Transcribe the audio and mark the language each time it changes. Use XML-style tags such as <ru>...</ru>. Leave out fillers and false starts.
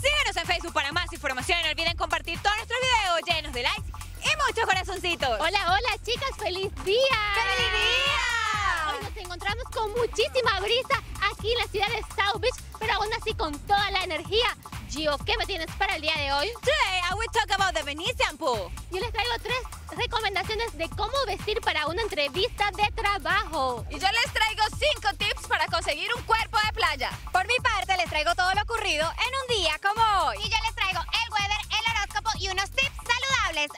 <es>Síguenos en Facebook para más información. Y no olviden compartir todos nuestros videos llenos de likes y muchos corazoncitos. Hola, hola, chicas. ¡Feliz día! ¡Feliz día! Hoy nos encontramos con muchísima brisa aquí en la ciudad de South Beach, pero aún así con toda la energía. Gio, ¿qué me tienes para el día de hoy?</es> <en>Today I will talk about the Venetian pool.</en> <es>Yo les traigo tres recomendaciones de cómo vestir para una entrevista de trabajo. Y yo les traigo cinco tips para conseguir un cuerpo de playa. Por mi parte, les traigo todo lo ocurrido en un día como hoy. Y yo les traigo el weather, el horóscopo y unos tips saludables.</es>